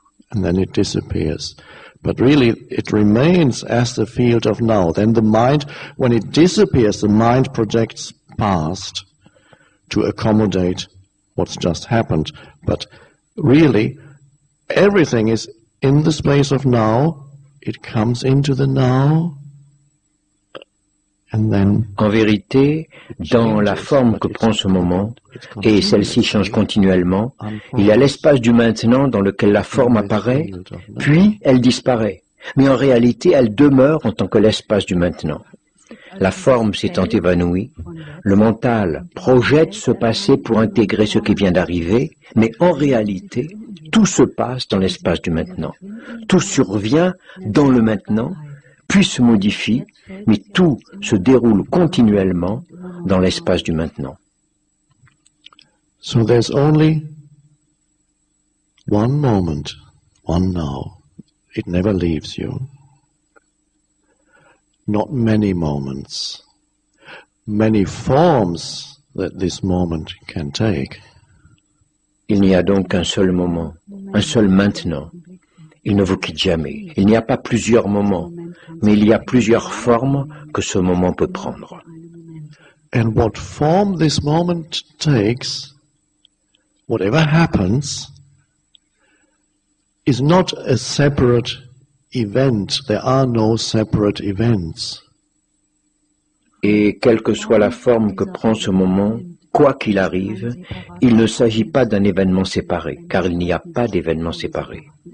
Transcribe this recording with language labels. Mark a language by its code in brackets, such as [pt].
[en] And then it disappears. But really, it remains as the field of now. Then the mind, when it disappears, the mind projects past to accommodate what's just happened. But really, everything is in the space of now. It comes into the now. And then, [fr] en vérité, dans la forme que prend ce moment, et celle-ci change continuellement, il y a l'espace du maintenant dans lequel la forme apparaît, puis elle disparaît. Mais en réalité, elle demeure en tant que l'espace du maintenant. La forme s'étant évanouie, le mental projette ce passé pour intégrer ce qui vient d'arriver, mais en réalité, tout se passe dans l'espace du maintenant. Tout survient dans le maintenant, puis se modifie, mais tout se déroule continuellement dans l'espace du maintenant. [en] So there's only one moment, one now. It never leaves you. Not many moments, many forms that this moment can take. [fr] Il n'y a donc qu'un seul moment, un seul maintenant. Il ne vous quitte jamais. Il n'y a pas plusieurs moments, mais il y a plusieurs formes que ce moment peut prendre. [en] And what form this moment takes, whatever happens, is not a separate event. There are no separate events. [fr] Et quelle que soit la forme que prend ce moment, quoi qu'il arrive, il ne s'agit pas d'un événement séparé, car il n'y a pas d'événement séparé.